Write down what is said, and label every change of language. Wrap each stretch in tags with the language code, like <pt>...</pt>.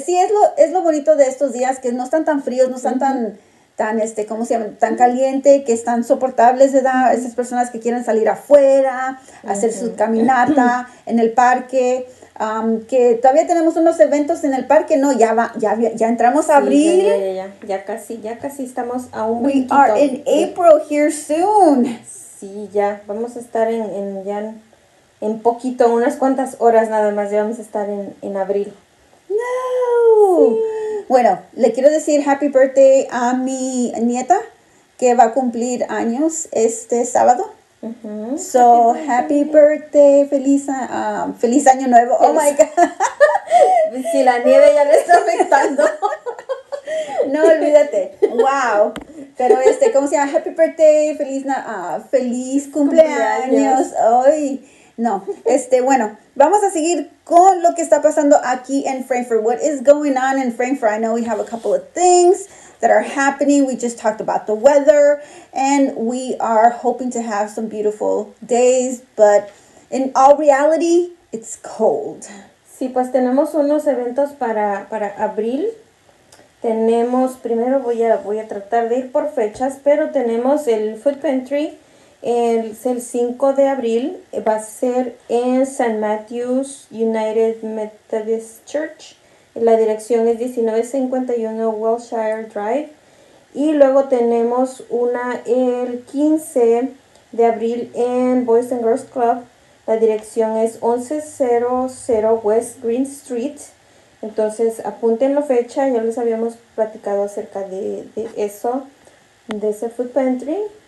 <es>Sí, es lo bonito de estos días, que no están tan fríos, no están tan... tan ¿cómo se llama? Tan caliente, que están soportables de dar a esas personas que quieren salir afuera, hacer su caminata en el parque, que todavía tenemos unos eventos en el parque, no, ya entramos a abril. Sí, ya casi estamos a un brinquito.</es> <en>We are in April here soon.</en> <es>Sí, ya, vamos a estar en poquito, unas cuantas horas nada más, ya vamos a estar en abril. ¡No! Sí. Bueno, le quiero decir</es> <en>happy birthday</en> <es>a mi nieta, que va a cumplir años este sábado.</es> <en>So, happy birthday,</en> <es>feliz año nuevo.</es> <en>Oh, my God.</en> <es>Si la nieve ya le está afectando. No, olvídate. Wow. Pero ¿cómo se llama?</es> <en>Happy birthday,</en> <es>feliz cumpleaños. Hoy. No, bueno, vamos a seguir con lo que está pasando aquí en Frankfurt.</es> <en>What is going on in Frankfurt? I know we have a couple of things that are happening. We just talked about the weather, and we are hoping to have some beautiful days. But in all reality, it's cold.</en> <es>Sí, pues tenemos unos eventos para abril. Tenemos, primero voy a tratar de ir por fechas, pero tenemos el Food Pantry, el 5 de abril, va a ser en St. Matthew's United Methodist Church. La dirección es 1951 Wilshire Drive. Y luego tenemos una el 15 de abril en Boys and Girls Club. La dirección es 1100 West Green Street. Entonces apunten la fecha, ya les habíamos platicado acerca de eso, de ese Food Pantry.</es>